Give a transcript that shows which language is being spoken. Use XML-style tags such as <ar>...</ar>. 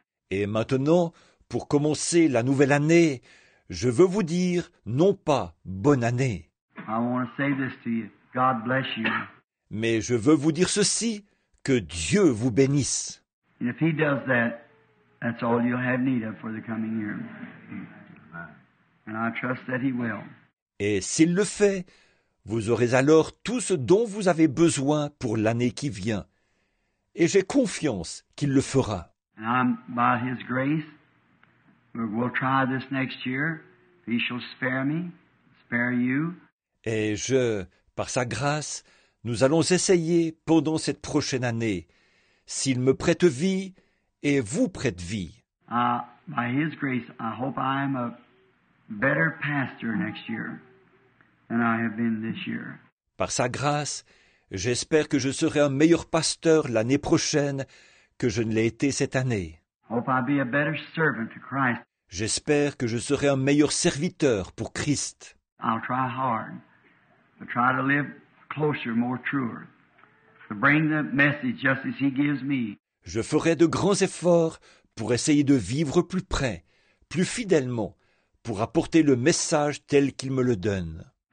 <fr>Et maintenant, pour commencer la nouvelle année, je veux vous dire non pas bonne année.</fr> <en>I want to say this to you. God bless you.</en> <fr>Mais je veux vous dire ceci, que Dieu vous bénisse.</fr> <en>And if he does that, that's all you'll have need of for the coming year. And I trust that he will.</en> <fr>Et s'il le fait, vous aurez alors tout ce dont vous avez besoin pour l'année qui vient. Et j'ai confiance qu'il le fera.</fr> <en>And I'm, by his grace, we'll try this next year. He shall spare me, spare you.</en> <fr>Et je, par sa grâce, nous allons essayer pendant cette prochaine année, s'il me prête vie et vous prête vie.</fr> <en>By his grace, I hope I am a better pastor next year than I have been this year.</en> <fr>Par sa grâce, j'espère que je serai un meilleur pasteur l'année prochaine que je ne l'ai été cette année.</fr> <en>Hope I'll be a better servant to Christ.</en> <fr>J'espère que je serai un meilleur serviteur pour Christ.</fr> <en>I'll try hard to try to live closer, more truer, to bring the message just as he gives me.</en> <fr>Je ferai de grands efforts pour essayer de vivre plus près, plus fidèlement, pour apporter le message tel qu'il me le donne.</fr>